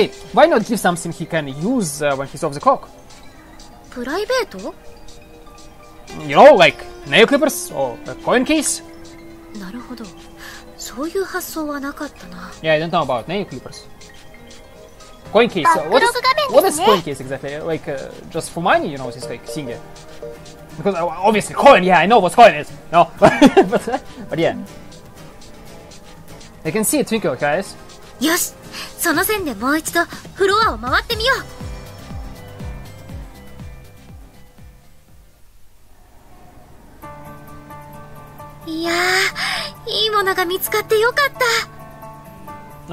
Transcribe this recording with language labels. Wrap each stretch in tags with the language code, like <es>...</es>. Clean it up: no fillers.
<en>Why not give something he can use when he's off the clock? Private? You know, like, nail clippers or a coin case?</en> <ja>なるほど。そういう発想はなかったな。</ja> <en>Yeah, I don't know about nail clippers. Coin case, what is coin case exactly? Like, just for money, you know, this, like, thing? Because, obviously, coin, yeah, I know what coin is, no? but yeah. I can see a twinkle, guys.</en> <ja>よし、その線でもう一度フロアを回ってみよう。いやいいものが見つかってよかった。</ja>